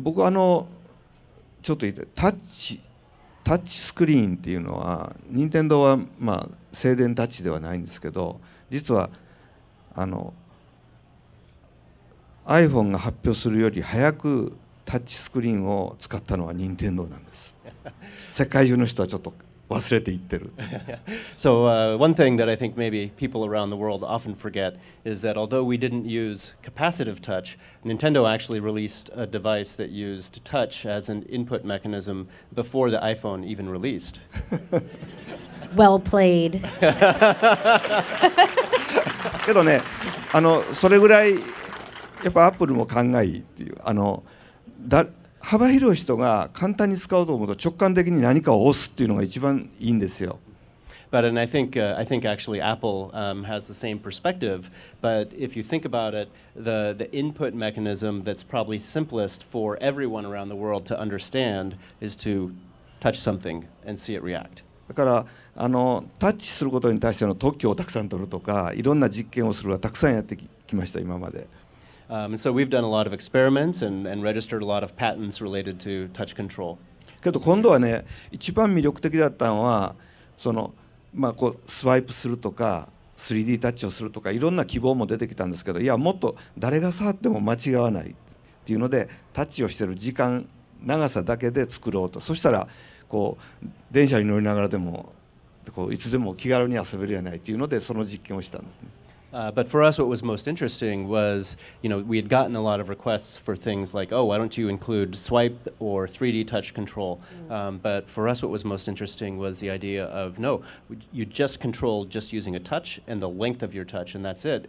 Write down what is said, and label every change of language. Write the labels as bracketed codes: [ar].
[ja] 僕あのちょっと言ってタッチスクリーンっていうのは任天堂はまあ静電タッチではないんですけど、実はあの iPhone が発表するより早くタッチスクリーンを使ったのは任天堂なんです。世界中の人はちょっと忘れていってる。 [en] So, one thing that I think maybe people around the world often forget is that although we didn't use capacitive touch, Nintendo actually released a device that used touch as an input mechanism before the iPhone even released. Well played. [ja] けどね、あのそれぐらいやっぱアップルも考えいいっていう、あのだ幅広い人が簡単に使おうと思うと直感的に何かを押すっていうのが一番いいんですよ。 [en] But and I think actually Apple has the same perspective. But if you think about it, the input mechanism that's probably simplest for everyone around the world to understand is to touch something and see it react. [ja] だからあのタッチすることに対しての特許をたくさん取るとか、いろんな実験をするはたくさんやってきました今まで。 [en] And so we've done a lot of experiments and registered a lot of patents related to touch control. [ja] けど今度はね、一番魅力的だったのはその、まあ、こうスワイプするとか 3D タッチをするとかいろんな希望も出てきたんですけど、いやもっと誰が触っても間違わないっていうので、タッチをしている時間長さだけで作ろうと。そしたらこう電車に乗りながらでもこういつでも気軽に遊べるやないっていうので、その実験をしたんですね。 [en] But for us, what was most interesting was, you know, we had gotten a lot of requests for things like, oh, why don't you include swipe or 3D touch control? But for us, what was most interesting was the idea of, no, you just control just using a touch and the length of your touch, and that's it.